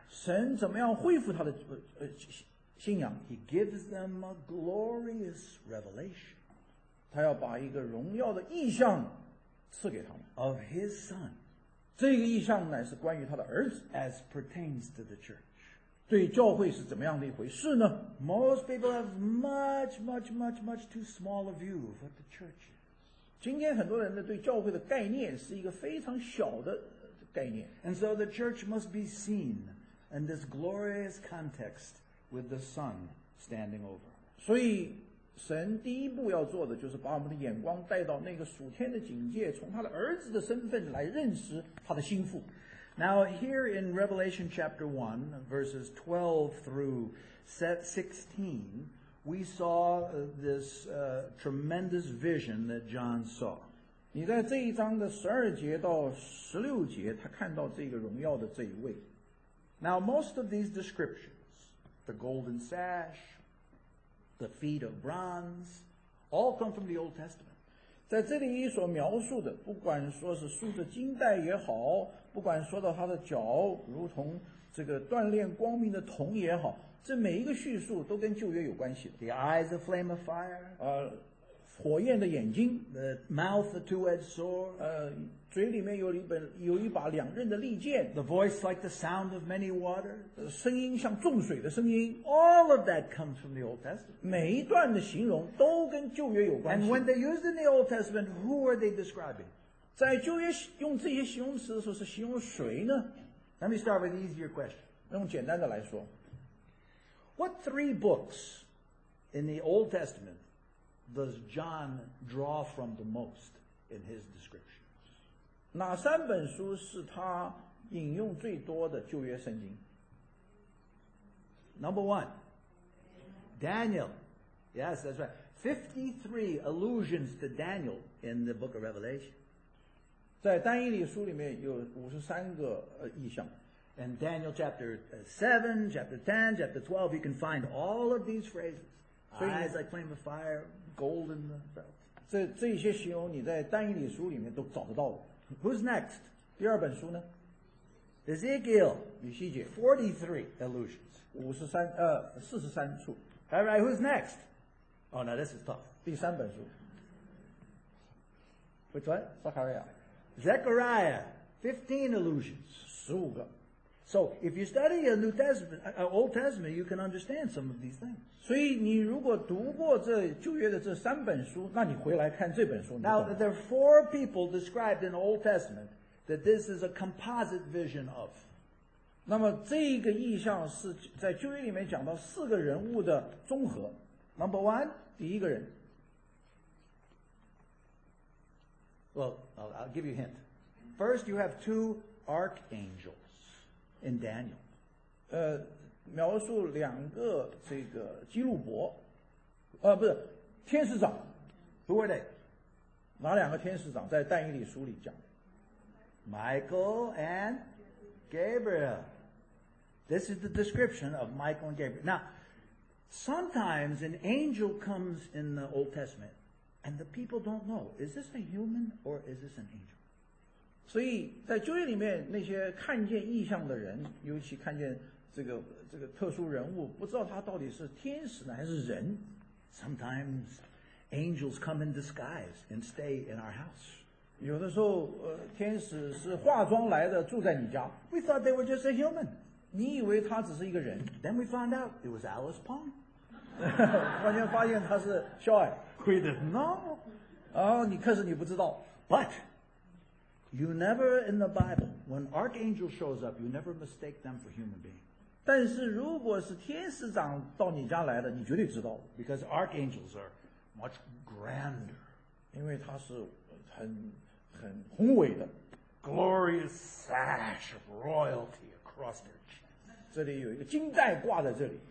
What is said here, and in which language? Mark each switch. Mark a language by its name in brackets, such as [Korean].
[Chinese] 神怎么样恢复他的信仰？ [English] He gives them a glorious revelation. [Chinese] 他要把一个荣耀的意象赐给他们。 [English] Of His Son. [Chinese] 这个意象乃是关于他的儿子 [English] ，as pertains to the church， [Chinese] 对教会是怎么样的一回事呢 [English] ？Most people have much too small a view of what the church is。 [Chinese] 今天很多人对教会的概念是一个非常小的概念 [English] ，and so the church must be seen in this glorious context with the Son standing over。 [Chinese] 所以神第一步要做的就是把我们的眼光带到那个属天的境界，从他的儿子的身份来认识他的心腹。 [English] Now, here in Revelation chapter 1, verses 12 through 16, we saw this tremendous vision that John saw. [Chinese] 你在这一章的十二节到十六节，他看到这个荣耀的这一位。 [English] Now, most of these descriptions, the golden sash, the feet of bronze, all come from the Old Testament. [Chinese] 在这里所描述的，不管说是束着金带也好，不管说到他的脚如同这个锻炼光明的铜也好，这每一个叙述都跟旧约有关系的。 [English] The eyes of flame of fire, [Chinese] 火焰的眼睛。 [English] The mouth of two-edged sword, [Chinese] 嘴里面有一把两刃的利剑。 [English] The voice like the sound of many water, [Chinese] 声音像重水的声音。 [English] All of that comes from the Old Testament. [Chinese] 每一段的形容都跟旧约有关系。 [English] And when they used in the Old Testament, who are they describing? [Chinese] 在旧约用这些形容词的时候是形容谁呢？ [English] Let me start with an easier question. [Chinese] 用简单的来说。 [English] What three books in the Old Testament does John draw from the most in his description? [Chinese] 哪三本书是他引用最多的旧约圣经？ [English] Number one, Daniel. Yes, that's right. 53 allusions to Daniel in the book of Revelation. [Chinese] 在但以理书里面有53个意象。 [English] And Daniel chapter 7, chapter 10, chapter 12, you can find all of these phrases. Eyes like flame of fire, gold in the belt. [Chinese] 这些形容你在但以理书里面都找得到的。 [English] Who's next? [Chinese] 第二本书呢？ [English] Ezekiel, [Chinese] 以西结。 [English] 43 allusions. [Chinese] 43处。 [English] All right, who's next? Oh, now this is tough. [Chinese] 第三本书。 [English] Which one? Zechariah. Zechariah, 15 allusions. [Chinese] 15个。 [English] So, if you study a New Testament, an Old Testament, you can understand some of these things. [Chinese] 所以你如果读过这旧约的这三本书，那你回来看这本书。 [English] Now, there are four people described in the Old Testament that this is a composite vision of. [Chinese] 那么这个意象是在旧约里面讲到四个人物的综合。 [English] Number one, [Chinese] 第一个人。 [English] Well, I'll give you a hint. First, you have two archangels. In Daniel, [Chinese] 描述两个这个基路伯，不是天使长。 [English] Who are they? [Chinese] 哪两个天使长在但以理书里讲 [English] ？Michael and Gabriel. This is the description of Michael and Gabriel. Now, sometimes an angel comes in the Old Testament, and the people don't know: is this a human or is this an angel? [Chinese] 所以在旧约里面那些看见异象的人尤其看见这个特殊人物不知道他到底是天使呢还是人 [English] Sometimes angels come in disguise and stay in our house [Chinese] 有的时候天使是化妆来的住在你家 [English] We thought they were just a human [Chinese] 你以为他只是一个人 [English] Then we found out it was Alice Pong [Chinese] 发现他是 Shoy [English] Queen No [Chinese] 你不知道 [English] ButYou never in the Bible, when archangel shows up, you never mistake them for human being. [Chinese] 但是如果是天使长到你家来的，你绝对知道。 [English] Because archangels are much grander. [Chinese] 因为他是很宏伟的。 [English] Glorious sash of royalty across their chest. [Chinese] 这里有一个金带挂在这里。